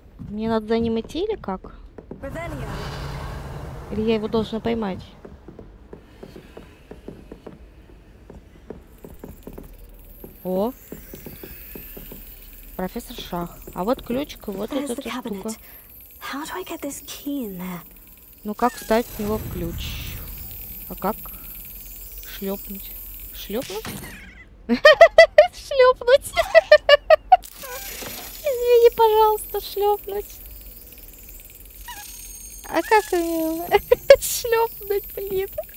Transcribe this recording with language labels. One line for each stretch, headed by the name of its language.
Russian: Мне надо за ним идти или как? Ревелия. Или я его должна поймать? О. Профессор Шах. А вот ключик, вот эта штука.
English: How do I get this key in there?
Russian: Ну как вставить в него ключ? А как? Шлепнуть? Шлепнуть? Шлепнуть! Извини, пожалуйста, шлепнуть. А как мне шлепнуть, блин?